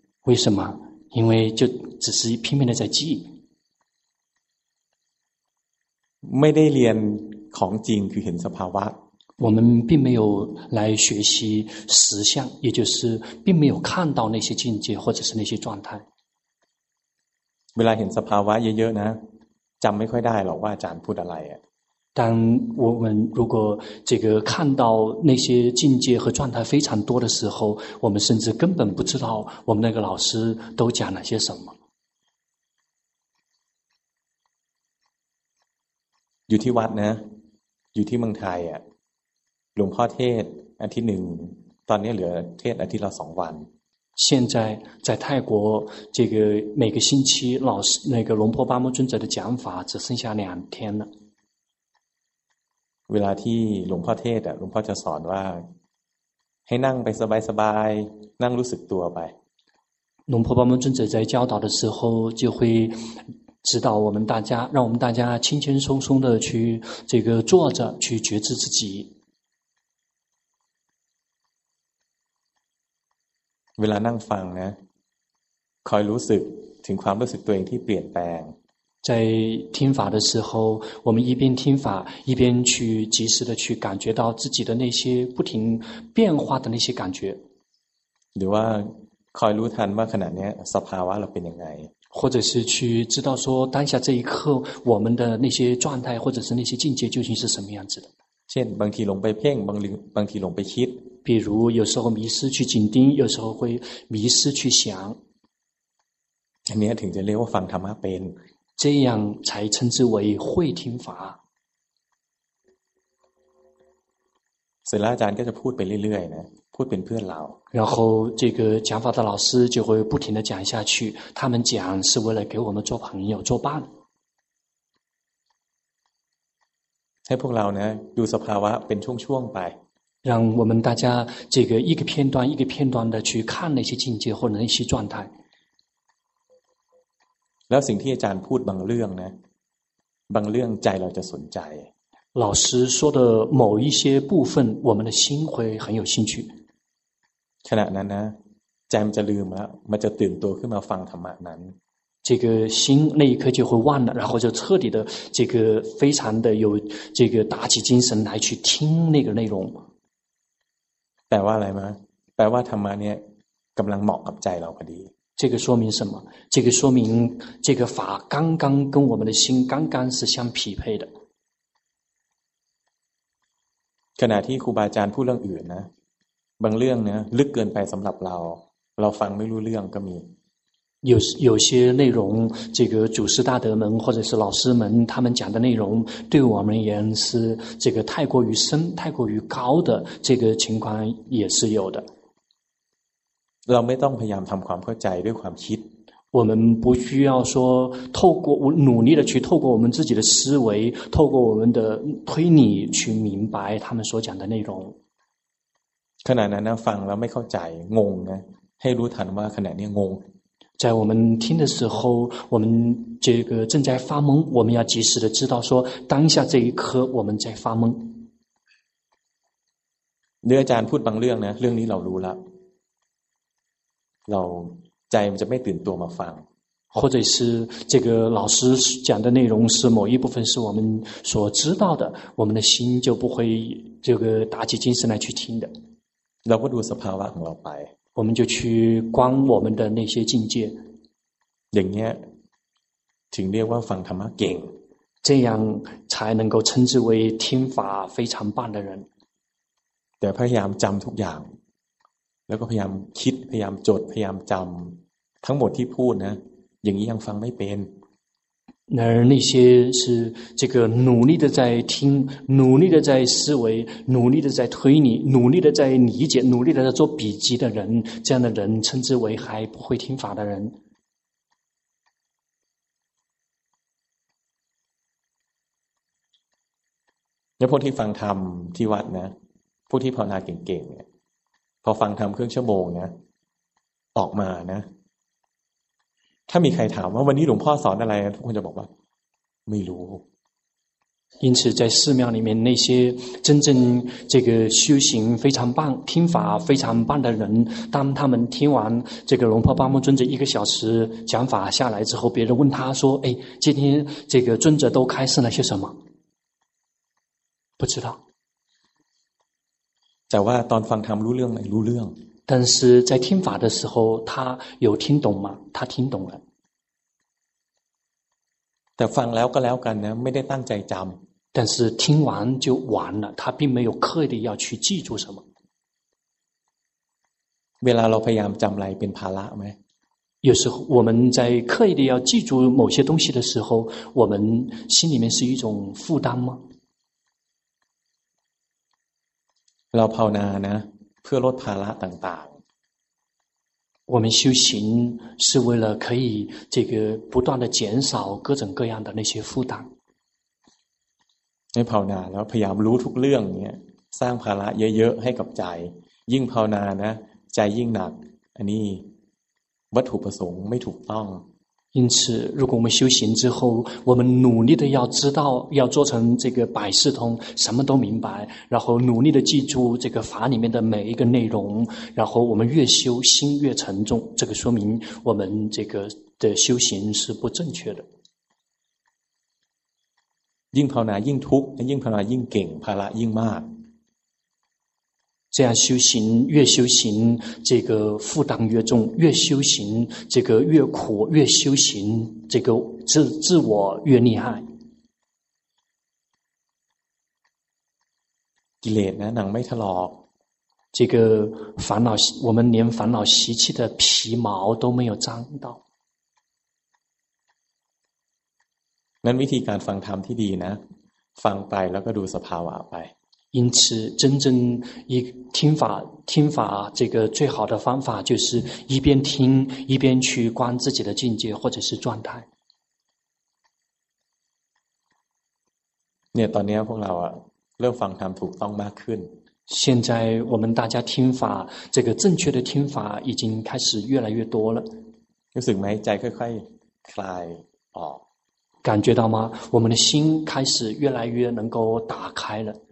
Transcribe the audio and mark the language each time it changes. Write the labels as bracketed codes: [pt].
[zh] 为什么因为就只是拼命的在记没得练狂劲去很是怕挖我们并没有来学习实相也就是并没有看到那些境界或者是那些状态 [th] เวลาเห็นสภาวะเยอะๆนะจำไม่ค่อยได้หรอกว่าอาจารย์พูดอะไรอ่ะ [zh] 但我们如果这个看到那些境界和状态非常多的时候我们甚至根本不知道我们那个老师都讲了些什么 [th] อยู่ที่วัดนะอยู่ที่เมืองไทยอ่ะหลวงพ่อเทศอาทิตย์หนึ่งตอนนี้เหลือเทศอาทิตย์ละสองวัน [zh] 现在在泰国这个每个星期老师那个龙婆巴木尊者的讲法只剩下两天了 [th] เวลาที่หลวงพ่อเทศอ่ะหลวงพ่อจะสอนว่าให้นั่งไปสบายสบายนั่งรู้สึกตัวไป [zh] 龙婆巴木尊者在教导的时候就会指导我们大家让我们大家轻轻松松的去这个坐着去觉知自己 [th] เวลานั่งฟังนะคอยรู้สึกถึงความรู้สึกตัวเองที่เปลี่ยนแปลง [zh] 在听法的时候我们一边听法一边去及时的去感觉到自己的那些不停变化的那些感觉 [th] หรือว่าคอยรู้ทันว่าขณะนี้สภาวะเราเป็นยังไง [zh] 或者是去知道说当下这一刻我们的那些状态或者是那些境界究竟是什么样子的 [th] เช่นบางทีหลงไปเพ่งบางทีหลงไปคิด [zh] 比如有时候迷失去紧盯有时候会迷失去想 [th] อันนี้ถึงจะเรียกว่าฟังธรรมะเป็น [zh] 这样才称之为会听法 [th] เสร็จแล้วอาจารย์ก็จะพูดไปเรื่อยๆนะพูดเป็นเพื่อนเรา [zh] 然后这个讲法的老师就会不停地讲下去他们讲是为了给我们做朋友做伴 [th] ให้พวกเราเนี่ยดูสภาวะเป็นช่วงๆไป [zh] 让我们大家这个一个片段一个片段的去看那些境界或者那些状态 [th] แล้วสิ่งที่อาจารย์พูดบางเรื่องนะบางเรื่องใจเราจะสนใจ [zh] 老师说的某一些部分我们的心会很有兴趣 [th] ขณะนั้นนะใจมันจะลืมแล้วมันจะตื่นตัวขึ้นมาฟังธรรมะนั้น [zh] 这个心那一刻就会忘了然后就彻底的这个非常的有这个打起精神来去听那个内容 [th] แปลว่าอะไรมั้ยแปลว่าธรรมะเนี่ยกำลังเหมาะกับใจเราพอดี [zh] 这个说明什么这个说明这个法刚刚跟我们的心刚刚是相匹配的 [th] ขณะที่ครูบาอาจารย์พูดเรื่องอื่นนะบางเรื่องเนี่ยลึกเกินไปสำหรับเราฟังไม่รู้เรื่องก็มี [zh] 有些内容这个祖师大德们或者是老师们他们讲的内容对我们而言是这个太过于深太过于高的这个情况也是有的 [th] เราไม่ต้องพยายามทำความเข้าใจด้วยความคิด [zh] 我们不需要说透过努力的去透过我们自己的思维透过我们的推理去明白他们所讲的内容 [th] ขณะนั้นฟังแล้วไม่เข้าใจงงนะให้รู้ทันว่าขณะนี้งง [zh] 在我们听的时候我们这个正在发懵我们要及时的知道说当下这一刻我们在发懵 [th] เนื้ออาจารย์พูดบางเรื่องนะเรื่องนี้เรารู้แล้วเราใจมันจะไม่ตื่นตัวมาฟัง [zh] 或者是这个老师讲的内容是某一部分是我们所知道的我们的心就不会这个打起精神来去听的 [th] เราก็ดูสภาวะของเราไป [zh] 我们就去观我们的那些境界 [th] อย่างเงี้ยถึงเรียกว่าฟังธรรมะเก่ง [zh] 这样才能够称之为听法非常棒的人 [th] แต่พยายามจำทุกอย่าง แล้วก็พยายามคิดพยายามจดพยายามจำทั้งหมดที่พูดนะอย่างนี้ยังฟังไม่เป็น [zh] 而那些是这个努力的在听努力的在思维努力的在推理努力的在理解努力的在做笔记的人这样的人称之为还不会听法的人 [th] 那พวกที่ฟังธรรมที่วัดนะพวกที่ภาวนาเก่งๆเนี่ยพอฟังธรรมครึ่งชั่วโมงนะออกมานะถ้ามีใครถามว่าวันนี้หลวงพ่อสอนอะไรทุกคนจะบอกว่าไม่รู้ [zh] 因此在寺庙里面那些真正这个修行非常棒听法非常棒的人当他们听完这个龙婆巴木尊者一个小时讲法下来之后别人问他说哎今天这个尊者都开示了些什么不知道 [th] แต่ว่าตอนฟังธรรมรู้เรื่องไหมรู้เรื่อง [zh] 但是在听法的时候他有听懂吗他听懂了 [th] แต่ฟังแล้วก็แล้วกันนะไม่ได้ตั้งใจจำ [zh] 但是听完就完了他并没有刻意的要去记住什么 [th] เวลาเราพยายามจำอะไรเป็นภาระไหม [zh] 有时候我们在刻意的要记住某些东西的时候我们心里面是一种负担吗 [th] เราภาวนานะเพื่อลดภาระต่าง [zh] ๆ我们修行是为了可以这个不断的减少各种各样的那些负担 [th] ให้ภาวนาแล้วพยายามรู้ทุกเรื่องเนี่ยสร้างภาระเยอะๆให้กับใจยิ่งภาวนานะใจยิ่งหนักอันนี้วัตถุประสงค์ไม่ถูกต้อง [zh] 因此如果我们修行之后我们努力的要知道要做成这个百事通什么都明白然后努力的记住这个法里面的每一个内容然后我们越修心越沉重这个说明我们这个的修行是不正确的硬跑哪硬突硬跑哪硬顶跑哪硬骂这样修行越修行这个负担越重越修行这个越苦越修行这个 自我越厉害 [th] กิเลสนะหนังไม่ถลอก [zh] 这个烦恼我们连烦恼习气的皮毛都没有沾到 [th] นั้นวิธีการฟังธรรมที่ดีนะฟังไปแล้วก็ดูสภาวะไป [zh] 因此真正一听法这个最好的方法就是一边听一边去观自己的境界或者是状态 [th] เนี่ยตอนนี้พวกเราอะเริ่มฟังธรรมถูกต้องมากขึ้น [zh] 现在我们大家听法这个正确的听法已经开始越来越多了 [th] รู้สึกไหมใจค่อยๆคลายออก [zh] 感觉到吗我们的心开始越来越能够打开了